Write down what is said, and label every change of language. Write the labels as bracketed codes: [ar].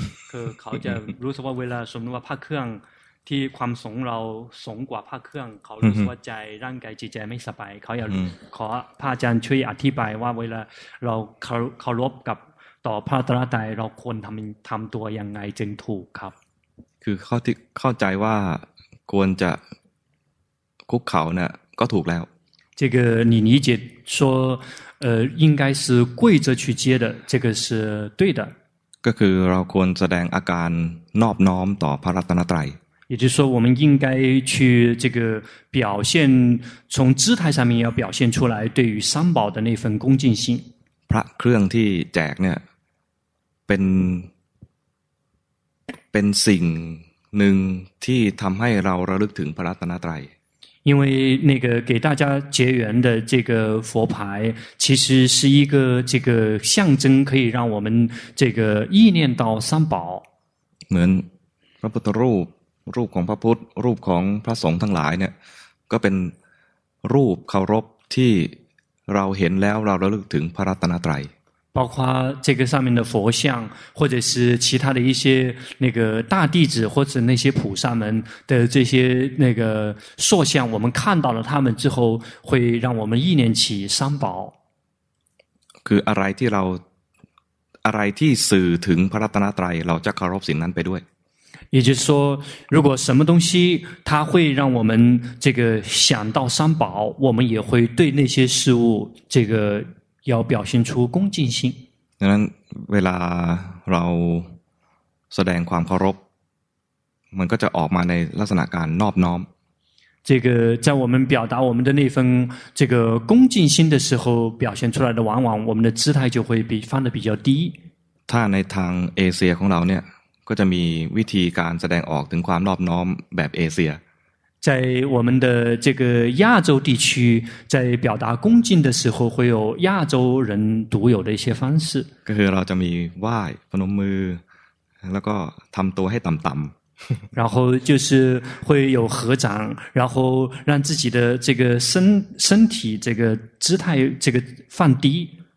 [th] คือเขาจะรู้สึกว่าเวลาสมมติว่าพระเครื่องที่ความสงเราสงกว่าพระเครื่องเขารู้สึกว่าใจร่างกายจิตใจไม่สบายเขาอยากขอพระอาจารย์ช่วยอธิบายว่าเวลาเราเคารพกับต่อพระตรัสใจเราควรทำตัวยังไงจึงถูกครับ คือเข้าใจว่าควรจะคุกเข่าเนี่ยก็ถูกแล้ว [zh] 这个你理解说应该是跪着去接的这个是对的 [th] ก็คือเราควรแสดงอาการนอบน้อมต่อพระรัตนตรัย [zh] 也就是说我们应该去这个表现从姿态上面要表现出来对于三宝的那份恭敬心 [th] พระเครื่องที่แจกเนี่ยเป็นสิ่งหนึ่งที่ทำให้เราระลึกถึงพระรัตนตรัย [zh] 因为那个给大家结缘的这个佛牌其实是一个这个象征可以让我们这个意念到三宝 [th] เหมือนพระพุทธรูปรูปของพระพุทธรูปของพระสงฆ์ทั้งหลายเนี่ยก็เป็นรูปเคารพที่เราเห็นแล้วเราระลึกถึงพระรัตนตรัย [zh] 包括这个上面的佛像或者是其他的一些那个大弟子或者那些菩萨们的这些那个塑像我们看到了他们之后会让我们意念起三宝 [th] คืออะไรที่เราอะไรที่สื่อถึงพระรัตนตรัยเราจะเคารพสิ่งนั้นไปด้วย [zh] 也就是说如果什么东西它会让我们这个想到三宝我们也会对那些事物这个要表现出恭敬心 [th] ดังนั้นเวลาเราแสดงความเคารพมันก็จะออกมาในลักษณะการนอบน้อม [zh] 这个在我们表达我们的那份这个恭敬心的时候表现出来的往往我们的姿态就会放得比较低 [th] ถ้าในทางเอเชียของเราเนี่ยก็จะมีวิธีการแสดงออกถึงความนอบน้อมแบบเอเชีย [zh] 在我们的这个亚洲地区在表达恭敬的时候会有亚洲人独有的一些方式 [th] ก็คือเราจะมีไหว้พนมมือแล้วก็ทำตัวให้ต่ำ [zh] ๆ然后就是会有合掌然后让自己的这个身体这个姿态这个放低